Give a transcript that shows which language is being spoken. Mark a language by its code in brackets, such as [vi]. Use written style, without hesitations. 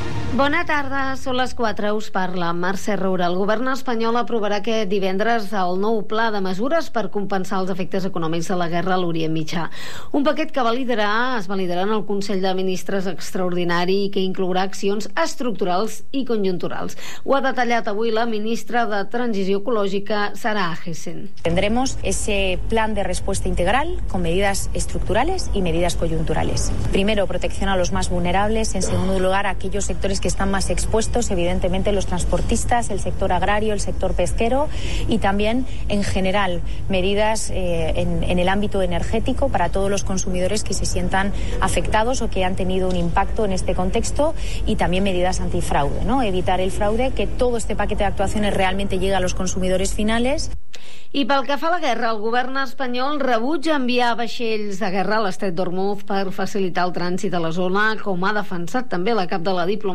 [ca] Bona tarda, són les 4, us parla Mercè Roura. El govern espanyol aprovarà aquest divendres el nou pla de mesures per compensar els efectes econòmics de la guerra a l'Orient Mitjà. Un paquet que es validarà en el Consell de Ministres Extraordinari i que inclourà accions estructurals i conjunturals. Ho ha detallat avui la ministra de Transició Ecològica, Sara Hessen. [es] Tendremos ese plan de respuesta integral con medidas estructurales y medidas coyunturales. Primero, protección a los más vulnerables. En segundo lugar, a aquellos sectores que están más expuestos, evidentemente los transportistas, el sector agrario, el sector pesquero y también en general medidas en el ámbito energético para todos los consumidores que se sientan afectados o que han tenido un impacto en este contexto y también medidas antifraude, ¿no? Evitar el fraude, que todo este paquete de actuaciones realmente llegue a los consumidores finales. [ca] I pel que fa a la guerra, el govern espanyol rebutja enviar vaixells de guerra a l'estret d'Hormuz per facilitar el trànsit a la zona, com ha defensat també la cap de la diplomàtica.